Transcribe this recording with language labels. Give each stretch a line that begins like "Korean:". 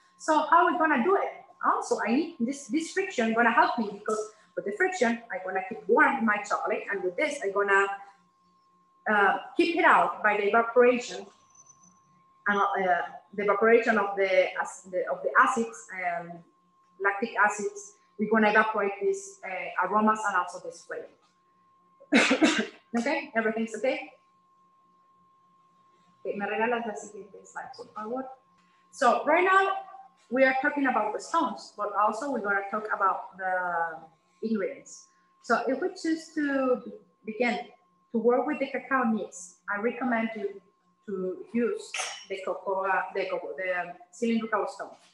English: So how are we gonna do it? Also, I need this friction gonna help me because with the friction, I'm gonna keep warm my chocolate and with this, I'm gonna keep it out by the evaporation and the evaporation of the acids and lactic acids. We're gonna evaporate these aromas and also this flavor. Okay, everything's okay?
Spanish: Okay, me regalas la siguiente slide, por favor.
English: So right now we are talking about the stones, but also we're gonna talk about the ingredients. So if we choose to begin to work with the cacao nibs, I recommend you to use the cocoa, the cylindrical stone.